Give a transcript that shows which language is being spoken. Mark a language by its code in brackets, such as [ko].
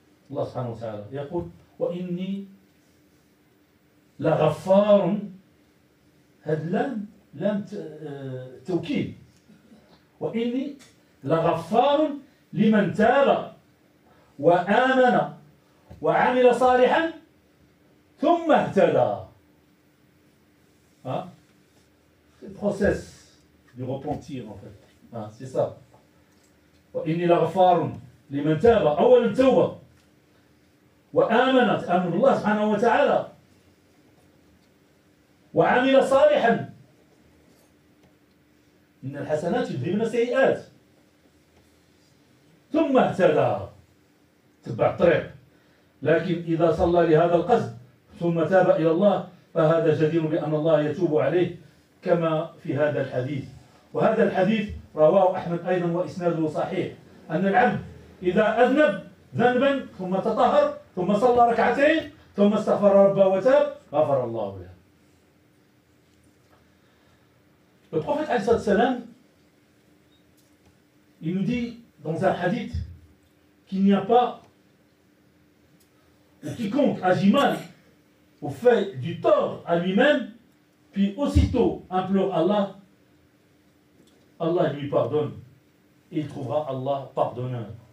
[ar] الله سبحانه وتعالى يقول وإني لغفار، هذا لام توكيد، وإني لغفار لمن تاب وآمن وعمل صالحا ثم اهتدى. [fr] C'est le process du repentir en fait. C'est ça. [ar] وإني لغفار لمن تاب أول التوبة وآمنت أن الله سبحانه وتعالى وعمل صالحا. إن الحسنات يذهبن السيئات. ثم اهتدى تبع الطريق، لكن إذا صلى لهذا القصد ثم تاب إلى الله فهذا جدير بأن الله يتوب عليه كما في هذا الحديث. وهذا الحديث رواه أحمد أيضا وإسناده صحيح، أن العبد إذا أذنب ذنبا ثم تطهر ثم صلى ركعتين ثم استغفر ربه وتاب غفر الله له. [fr] Le prophète Al-Sad Salam, il nous dit dans un hadith qu'il n'y a pas quiconque agit mal ou fait du tort à lui-même, puis aussitôt implore Allah, Allah lui pardonne et il trouvera Allah pardonneur.